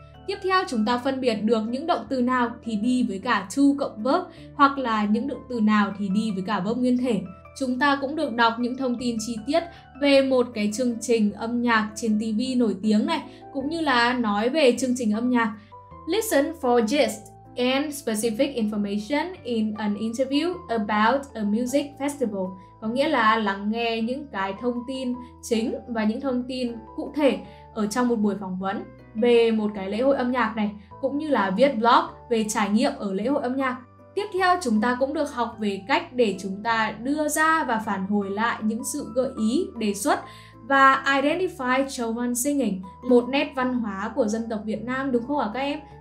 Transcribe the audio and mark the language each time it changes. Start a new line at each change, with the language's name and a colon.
Vietnamese: Tiếp theo chúng ta phân biệt được những động từ nào thì đi với cả to cộng verb hoặc là những động từ nào thì đi với cả verb nguyên thể. Chúng ta cũng được đọc những thông tin chi tiết về một cái chương trình âm nhạc trên TV nổi tiếng này, cũng như là nói về chương trình âm nhạc.
English: Listen for gist and specific information in an interview about a music festival.
Vietnamese: Có nghĩa là lắng nghe những cái thông tin chính và những thông tin cụ thể ở trong một buổi phỏng vấn về một cái lễ hội âm nhạc này, cũng như là viết blog về trải nghiệm ở lễ hội âm nhạc. Tiếp theo chúng ta cũng được học về cách để chúng ta đưa ra và phản hồi lại những sự gợi ý, đề xuất và identify Chauvin singing, một nét văn hóa của dân tộc Việt Nam đúng không ạ các em?